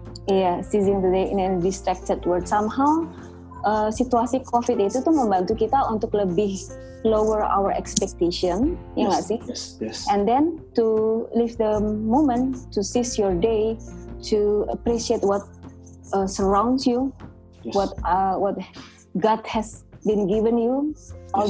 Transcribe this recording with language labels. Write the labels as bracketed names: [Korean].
[English] Iya, yeah, seizing the day in a distracted world somehow. [Indonesian] Situasi COVID itu tuh membantu kita untuk lebih [English] lower our expectation, [Indonesian] ya nggak [English] yes, [Indonesian] sih? [English] Yes, yes. And then to live the moment, to seize your day, to appreciate what surrounds you, yes. what God has been given you all yes.